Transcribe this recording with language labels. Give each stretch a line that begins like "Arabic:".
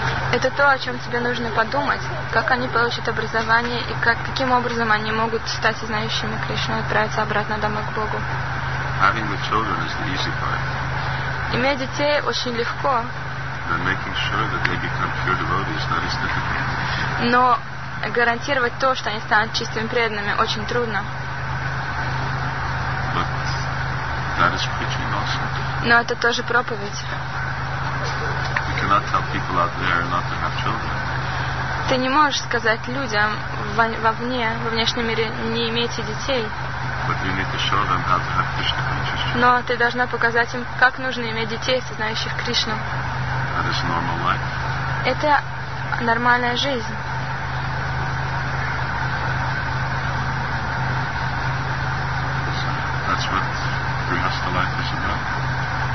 Russian: Это то, о чем тебе нужно подумать. Как они получат образование и каким образом они могут стать сознающими Кришну и отправиться обратно домой к Богу.
English: Having the children is the easy part.
Russian: Иметь детей очень легко.
English: And making sure that they become pure devotees, that is difficult.
Russian: Но гарантировать то, что они станут чистыми преданными, очень трудно.
English: But that is preaching also.
Russian: Но это тоже проповедь.
English: You cannot tell people out there not to have children.
Russian: Ты не можешь сказать людям вовне, во внешнем мире, не имейте детей.
English: But you need to show them how to have Krishna consciousness.
Russian: Но ты должна показать им, как нужно иметь детей, сознающих Кришну.
English: That is normal life.
Russian: Это нормальная жизнь.
English: That's what grihastha life is about.